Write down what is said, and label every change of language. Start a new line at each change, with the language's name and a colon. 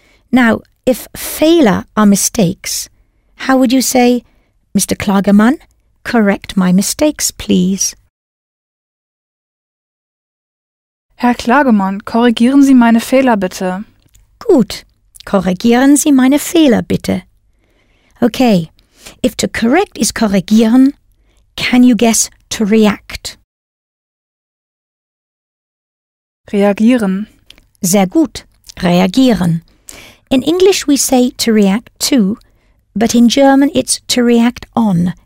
English: Now, if Fehler are mistakes, how would you say, Mr. Klagemann, correct my mistakes, please?
German: Herr Klagemann, korrigieren Sie meine Fehler bitte. Gut. Korrigieren Sie meine Fehler bitte.
English: Okay. If to correct is korrigieren, can you guess to react?
German: Reagieren. Sehr gut. Reagieren.
English: In English we say to react to, but in German it's to react on.